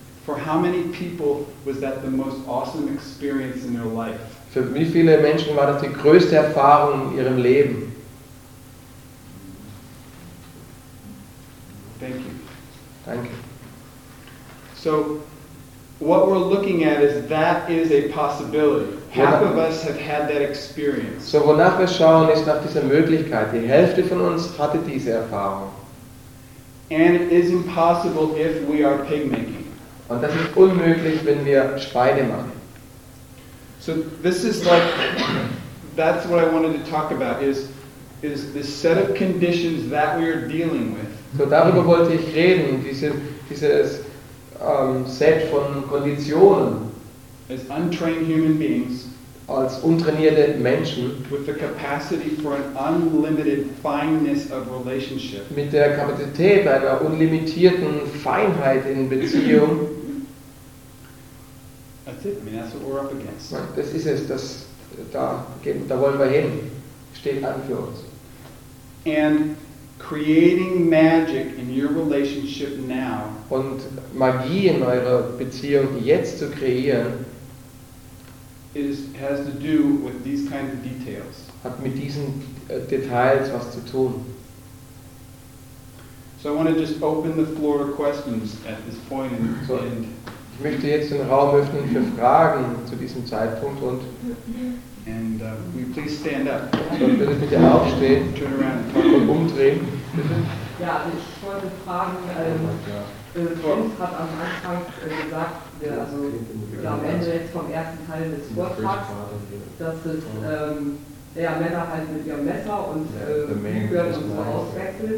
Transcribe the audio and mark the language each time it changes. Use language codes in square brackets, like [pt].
[en] For how many people was that the most awesome experience in their life? [de] Für wie viele Menschen war das die größte Erfahrung in ihrem Leben? [en] Thank you. [de] Danke. [en] So, what we're looking at is that is a possibility. Half of us have had that experience. [de] So, wonach wir schauen, ist nach dieser Möglichkeit. Die Hälfte von uns hatte diese Erfahrung. [en] And it is impossible if we are pig making. [de] Und das ist unmöglich, wenn wir Schweine machen. [en] So this is like, that's what I wanted to talk about, is this set of conditions that we are dealing with. [de] So darüber wollte ich reden, dieses Set von Konditionen. [en] As untrained human beings, [de] als untrainierte Menschen, [en] with the capacity for an unlimited fineness of relationship. [de] Mit der Kapazität einer unlimitierten Feinheit in Beziehung. [en] That's it. I mean, that's what we're up against. [de] Das ist es. Da wollen wir hin. Steht an für uns. [en] And creating magic in your relationship now. [de] Und Magie in eurer Beziehung jetzt zu kreieren, [en] has to do with these kinds of details. [de] Hat mit diesen Details was zu tun. [en] So I want to just open the floor to questions at this point and end. [de] Ich möchte jetzt den Raum öffnen für Fragen zu diesem Zeitpunkt und [en] will please stand up. [de] So, bitte, bitte aufstehen, [en] turn around, [de] und umdrehen. Ja, ich wollte fragen, Prinz hat am Anfang gesagt, am Ende jetzt vom ersten Teil des Vortrags, dass es Männer halt mit ihrem Messer und Bügeln und so auswechseln.